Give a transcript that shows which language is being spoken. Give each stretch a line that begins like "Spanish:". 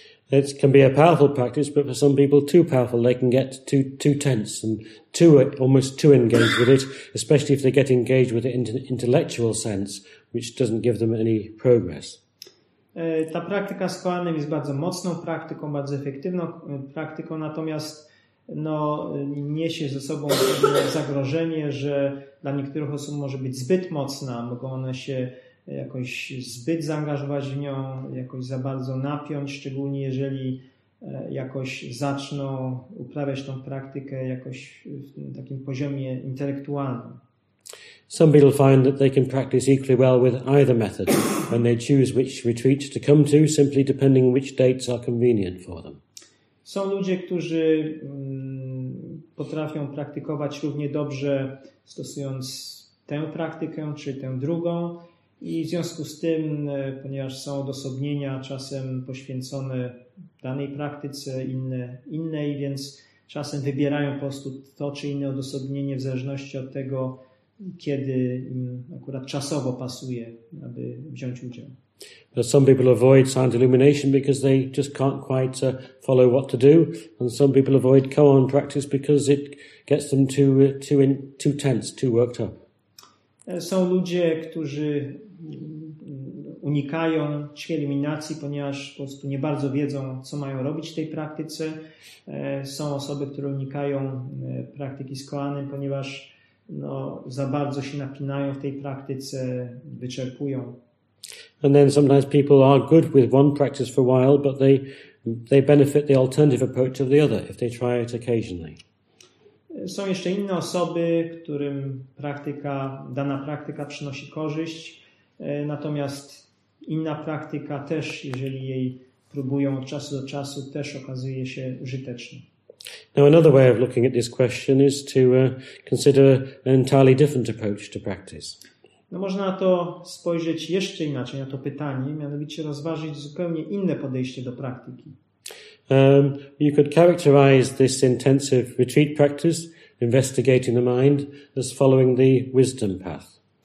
English: It can be a powerful practice, but for some people too powerful, they can get too tense and almost too engaged with it, especially if they get engaged with it in an intellectual sense, which doesn't give them any progress.
Polish: Ta praktyka z koanem jest bardzo mocną praktyką, bardzo efektywną praktyką, natomiast no, niesie ze sobą zagrożenie, że dla niektórych osób może być zbyt mocna, mogą one się jakoś zbyt zaangażować w nią, jakoś za bardzo napiąć, szczególnie jeżeli jakoś zaczną uprawiać tą praktykę jakoś w takim poziomie intelektualnym.
English: Some people find that they can practice equally well with either method and they choose which retreat to come to, simply depending which dates are convenient for them.
Polish: Są ludzie, którzy potrafią praktykować równie dobrze stosując tę praktykę czy tę drugą, i w związku z tym, ponieważ są odosobnienia czasem poświęcone danej praktyce, innej, więc czasem wybierają po prostu to czy inne odosobnienie w zależności od tego, kiedy im akurat czasowo pasuje, aby wziąć udział.
English: But some people avoid silent illumination because they just can't quite follow what to do, and some people avoid koan practice because it gets them too tense, too worked up.
Polish: Są ludzie, którzy unikają cichej iluminacji, ponieważ po prostu nie bardzo wiedzą, co mają robić w tej praktyce. Są osoby, które unikają praktyki z koanem, ponieważ no, za bardzo się napinają w tej praktyce, wyczerpują.
English: And then sometimes people are good with one practice for a while, but they benefit the alternative approach of the other if they try it occasionally.
Polish: Są jeszcze inne osoby, którym dana praktyka przynosi korzyść, natomiast inna praktyka też, jeżeli jej próbują od czasu do czasu, też okazuje się użyteczna.
English: Now, another way of looking at this question is to consider an entirely different approach to practice.
Polish: No, można to spojrzeć jeszcze inaczej na to pytanie, mianowicie rozważyć zupełnie inne podejście do praktyki.
English: You could characterize this intensive retreat practice, investigating the mind, as following the wisdom path.